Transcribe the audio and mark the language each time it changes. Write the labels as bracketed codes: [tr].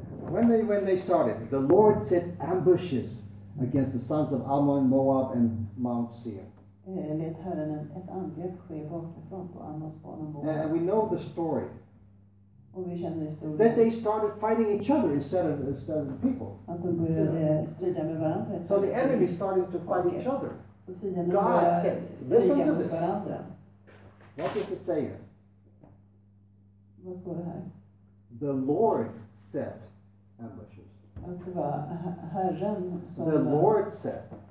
[en] When they started, the Lord set ambushes against the sons of Ammon, Moab and Mount Seir. [sv] Lät Herren ett angrepp ske bakifrån på Ammons barn och Moab. [en] And we know the story. [sv] Och vi känner historien. [en] That they started fighting each other instead of the people. [sv] Att de började strida med varandra. [en] So the enemy started to fight each other. God said, listen to this. What does it say here? [sv] Vad står det här? [en] The Lord set ambushes. [sv] Att det var Herren som. [en] The Lord set.